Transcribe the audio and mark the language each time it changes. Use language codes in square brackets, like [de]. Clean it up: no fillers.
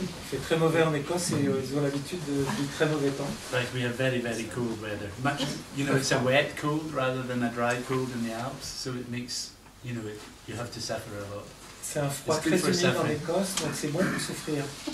[fr] C'est très mauvais en Écosse et ils ont l'habitude du très mauvais temps. [en] Right, we have very, very cold weather. Much, you know, it's a wet cold rather than a dry cold in the Alps, so it makes, you know, it, you have to suffer a lot. [fr] C'est un froid très humide en Écosse, donc c'est bon pour souffrir.